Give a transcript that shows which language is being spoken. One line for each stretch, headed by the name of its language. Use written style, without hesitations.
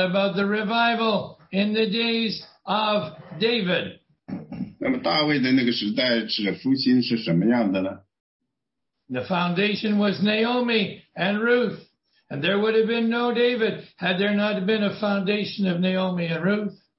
English: about the revival in the days of David?
Chinese: 那么大卫的那个时代是复兴是什么样的呢？
English: The foundation was Naomi and Ruth, and there would have been no David had there not been a foundation of Naomi and Ruth.